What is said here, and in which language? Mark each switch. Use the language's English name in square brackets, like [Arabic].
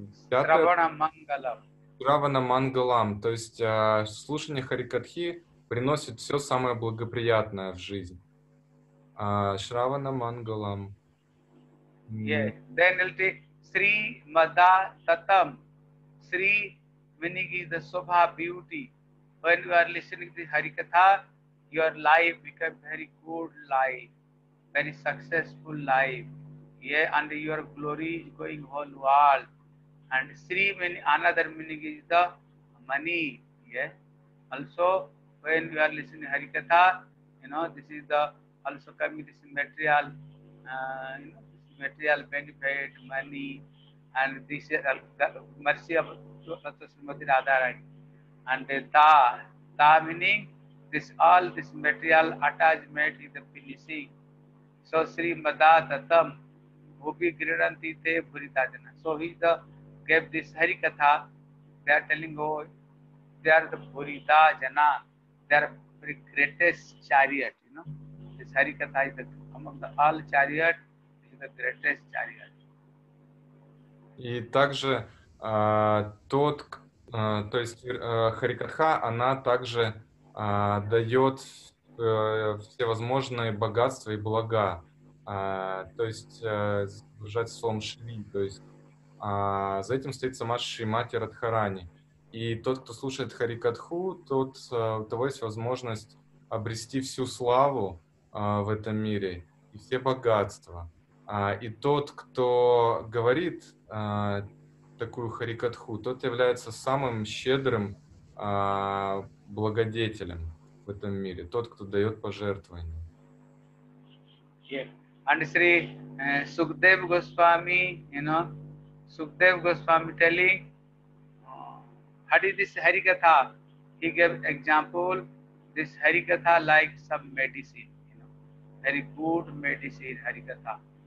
[Russian] Пятый. [Sanskrit] Шравана мангалам. [Russian] То есть слушание харикатхи приносит все самое благоприятное в жизнь. [Sanskrit] Шравана мангалам. Денальти Шри Мада Татам. [English] Sri meaning is the Sobha beauty. When you are listening to Harikatha, your life becomes very good life, very successful life. Yeah, and your glory is going whole world. And Sri meaning another meaning is the money. Yeah. Also, when you are listening to Harikatha, you know, this is the also coming this material, you know, material benefit, money. And this is the mercy of Srimati Radharani. And ta meaning this all this material attachment is the finishing. [Sanskrit] So Sri Madhatatam Bhubi Girananti Te Bhuritajana. [English] So he gave this Harikatha. They are telling, oh, they are the Bhuritajana. They are the greatest chariot, you know. This Harikatha is the among the all chariot, is the greatest chariot. [Russian] И также харикатха, она также дает всевозможные богатства и блага, то есть сгружать словом шри, то есть за этим стоит сама Шримати Радхарани. И тот, кто слушает харикатху, тот, у того есть возможность обрести всю славу в этом мире и все богатства. И тот, кто говорит такую харикатху, тот является самым щедрым благодетелем в этом мире, тот, кто дает пожертвования. [English] Yeah. And Sri Sukhdev Goswami, you know, Sukhdev Goswami telling, how did this harikatha? He gave example, this harikatha like some medicine, you know, very good medicine harikatha.